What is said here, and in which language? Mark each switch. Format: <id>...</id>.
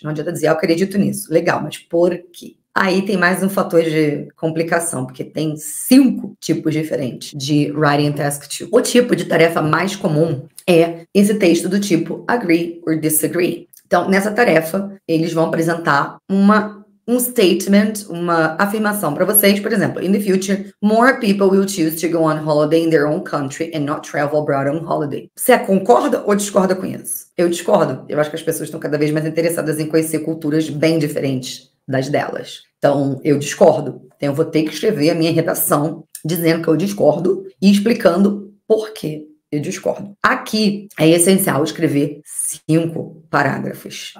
<pt>Não adianta dizer, eu acredito nisso. Legal, mas por quê? Aí tem mais um fator de complicação, porque tem 5 tipos diferentes de Writing Task 2. O tipo de tarefa mais comum é esse texto do tipo Agree or Disagree. Então, nessa tarefa, eles vão apresentar um statement, uma afirmação para vocês. Por exemplo,</pt> <en>in the future, more people will choose to go on holiday in their own country and not travel abroad on holiday.</en> <pt>Você concorda ou discorda com isso? Eu discordo. Eu acho que as pessoas estão cada vez mais interessadas em conhecer culturas bem diferentes das delas. Então, eu discordo. Então, eu vou ter que escrever a minha redação dizendo que eu discordo e explicando por quê. Eu discordo. Aqui é essencial escrever 5 parágrafos.</pt>